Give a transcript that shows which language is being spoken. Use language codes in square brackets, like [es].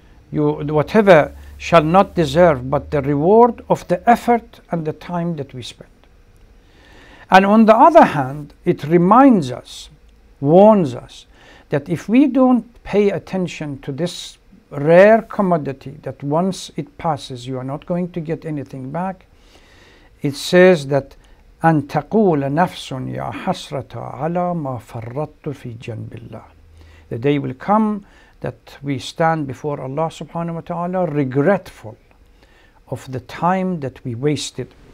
[en] Whatever shall not deserve but the reward of the effort and the time that we spend. And on the other hand, it reminds us, warns us, that if we don't pay attention to this rare commodity, that once it passes, you are not going to get anything back. It says that, [ar] أَن تَقُولَ نَفْسٌ يَا حَسْرَةَ عَلَى مَا فَرَّطْتُ فِي جَنْبِ اللَّهِ. [en] The day will come that we stand before Allah subhanahu wa ta'ala regretful of the time that we wasted.